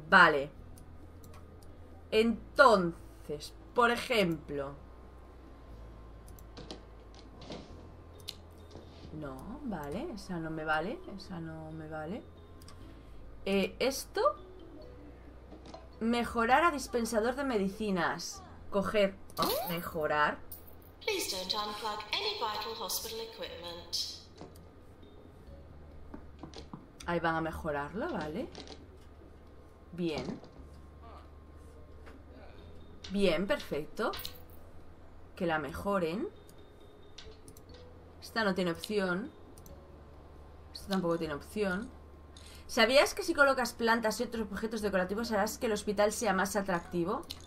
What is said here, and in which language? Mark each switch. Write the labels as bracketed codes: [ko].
[es] Vale. Entonces, por ejemplo... No, vale, esa no me vale. Esa no me vale. Esto. Mejorar a dispensador de medicinas. Coger. Mejorar. [en] Please don't unplug any vital hospital equipment. [es] Ahí van a mejorarlo, vale. Bien. Bien, perfecto. Que la mejoren. Esta no tiene opción. Esta tampoco tiene opción. ¿Sabías que si colocas plantas y otros objetos decorativos harás que el hospital sea más atractivo?